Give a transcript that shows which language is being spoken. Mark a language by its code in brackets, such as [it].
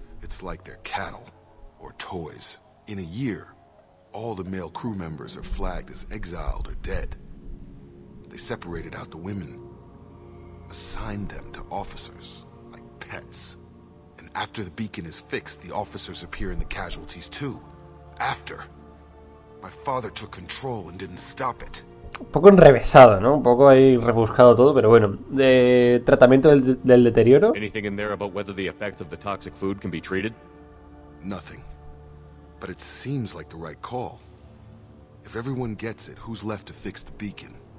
[en] It's like they're cattle or toys. In a year, all the male crew members are flagged as exiled or dead. They separated out the women, assigned them to officers like pets. And after the beacon is fixed, the officers appear in the casualties too. After. My father took control and didn't stop it. [es] poco enrevesado, ¿no? Un poco ahí rebuscado todo, pero bueno. Tratamiento del deterioro. [en] Anything in there about whether the effects of the toxic food can be treated? Nothing. But it seems like the right call. If everyone gets it, who's left to fix the beacon?